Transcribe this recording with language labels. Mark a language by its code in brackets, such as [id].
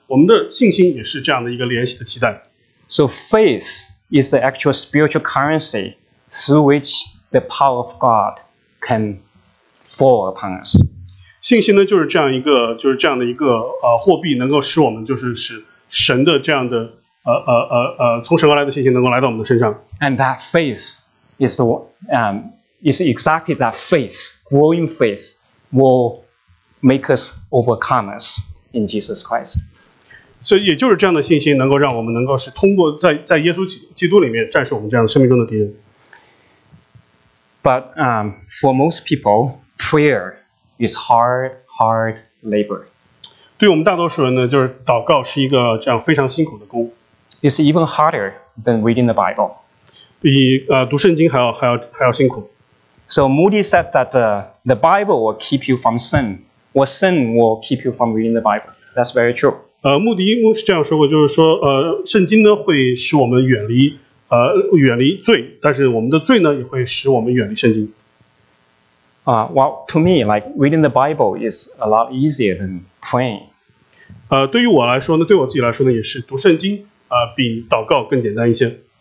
[zh] 我们的信心也是这样的一个联系的脐带。 [en] So faith is the actual spiritual currency through which the power of God can fall upon us. [zh] 信心呢，就是这样的一个货币，能够使我们就是使。神的这样的从神而来的信心能够来到我们的身上。 [en] And that faith is is exactly that faith, growing faith, will make us overcome us in Jesus Christ. [zh] 所以也就是这样的信心能够让我们能够是通过在耶稣基督里面战胜我们这样生命中的敌人。 [en] But for most people, prayer is hard, hard labor. [zh] 对我们大多数人呢，就是祷告是一个这样非常辛苦的工。 [en] It's even harder than reading the Bible. [zh] 比读圣经还要辛苦。 [en] So Moody said that the Bible will keep you from sin, or sin will keep you from reading the Bible. That's very true. [zh] 穆迪是这样说过，就是说圣经呢会使我们远离罪，但是我们的罪呢也会使我们远离圣经。 [en] Well, to me, like reading the Bible is a lot easier than praying. [zh] 对于我来说呢，对我自己来说呢，也是读圣经比祷告更简单一些。